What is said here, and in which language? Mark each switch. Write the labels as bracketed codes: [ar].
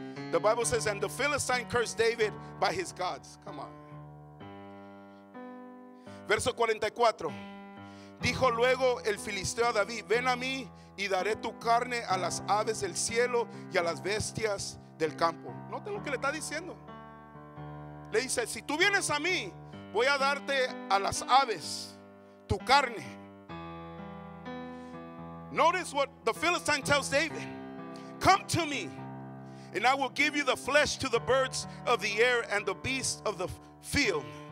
[en] The Bible says, and the Philistine cursed David by his gods. Come on. [es] Verso 44. Dijo luego el filisteo a David: Ven a mí y daré tu carne a las aves del cielo y a las bestias del campo. Note lo que le está diciendo. Le dice: Si tú vienes a mí, voy a darte a las aves tu carne. [en] Notice what the Philistine tells David: Come to me, and I will give you the flesh to the birds of the air and the beasts of the field.